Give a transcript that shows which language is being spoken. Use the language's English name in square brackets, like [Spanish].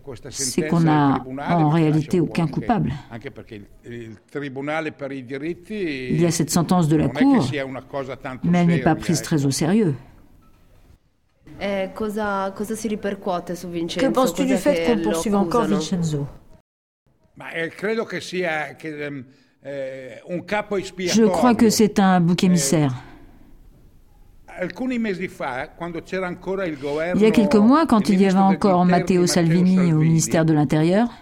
[French] c'est qu'on n'a en réalité aucun coupable. Il y a cette sentence de la Cour, mais elle n'est pas prise très au sérieux. [Italian] Cosa si ripercuote su Vincenzo? Che pensi tu [French] du fait qu'on poursuive encore Vincenzo? [Italian] Ma credo che sia un capo espiatorio. [French] Je crois que c'est un bouc émissaire. [Italian] Alcuni mesi fa, quando c'era ancora il governo, [French] il y a quelques mois, quand il y avait encore Matteo Salvini au ministère de l'Intérieur,